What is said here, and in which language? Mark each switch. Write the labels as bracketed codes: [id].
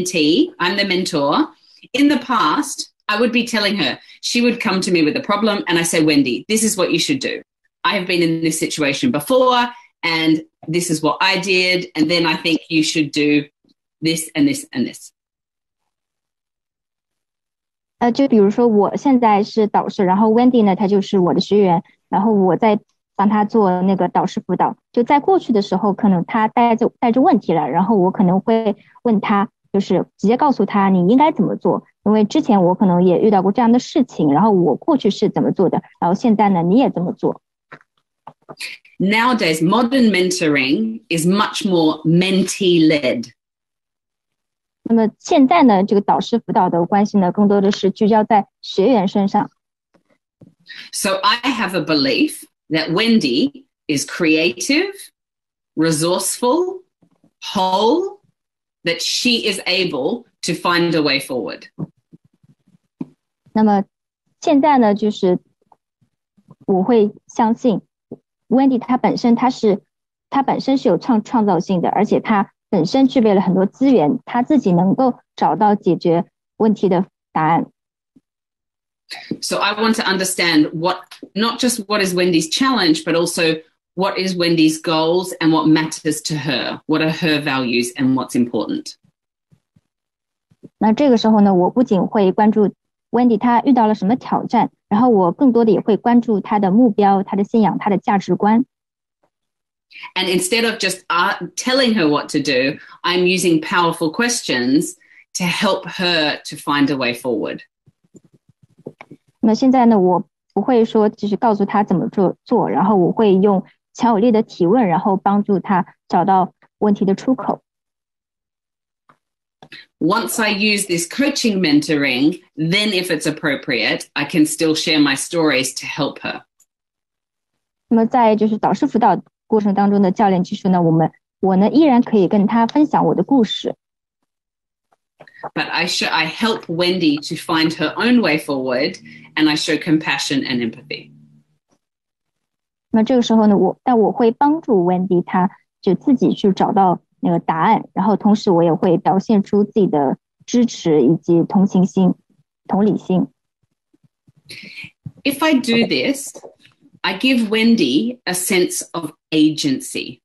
[en] So I'll act as a mentee. So if I'm mentoring Wendy, Wendy is my mentee, I'm the mentor. In the past, I would be telling her, she would come to me with a problem and I say, Wendy, this is what you should do. I have been in this situation before and this is what I did. And then I think you should do this and this and this. [zh] 就比如说我现在是导师，然后 Wendy 呢，她就是我的学员，然后我在帮她做那个导师辅导。就在过去的时候，可能她带着问题了，然后我可能会问她，就是直接告诉她你应该怎么做，因为之前我可能也遇到过这样的事情，然后我过去是怎么做的，然后现在呢，你也怎么做。 [en] Nowadays, modern mentoring is much more mentee-led. [zh] 那么现在呢，这个导师辅导的关系呢，更多的是聚焦在学员身上。 [en] So I have a belief that Wendy is creative, resourceful, whole, that she is able to find a way forward. [zh] 那么现在呢，就是我会相信 Wendy 她本身是有创造性的，而且她本身具备了很多资源，他自己能够找到解决问题的答案。 [en] So I want to understand what, not just what is Wendy's challenge, but also what is Wendy's goals and what matters to her. What are her values and what's important? [zh] 那这个时候呢，我不仅会关注 Wendy 她遇到了什么挑战，然后我更多的也会关注她的目标、她的信仰、她的价值观。 [en] And instead of just telling her what to do, I'm using powerful questions to help her to find a way forward. [zh] 那现在呢，我不会说就是告诉她怎么做，然后我会用强有力的提问，然后帮助她找到问题的出口。 [en] Once I use this coaching mentoring, then if it's appropriate, I can still share my stories to help her. [zh] 那么在就是导师辅导过程当中的教练技术呢，我呢依然可以跟他分享我的故事。 [en] But I help Wendy to find her own way forward, and I show compassion and empathy. [zh] 那这个时候呢，我会帮助 Wendy， 她就自己去找到那个答案，然后同时我也会表现出自己的支持以及同情心、同理心。 [en] If I do this. I give Wendy a sense of agency.